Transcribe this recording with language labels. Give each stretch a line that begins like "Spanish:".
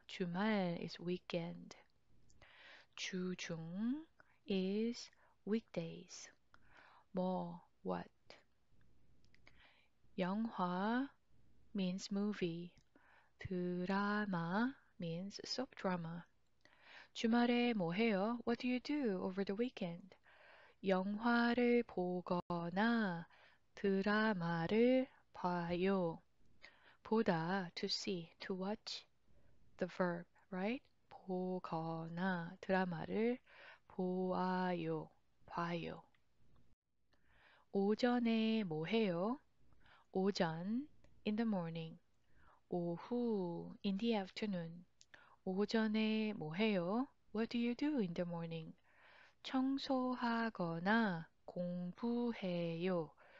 English: 주말 is weekend. 주중 is weekdays. 뭐, what? 영화 means movie. 드라마 means soap drama.
Korean: 주말에 뭐 해요?
English: What do you do over the weekend?
Korean: 영화를 보거나 드라마를 봐요.
English: 보다, to see, to watch the verb, right?
Korean: 보거나 드라마를 보아요, 봐요. 오전에 뭐 해요?
English: 오전, in the morning. 오후, in the afternoon.
Korean: 오전에 뭐 해요?
English: What do you do in the morning?
Korean: 청소하거나 공부해요.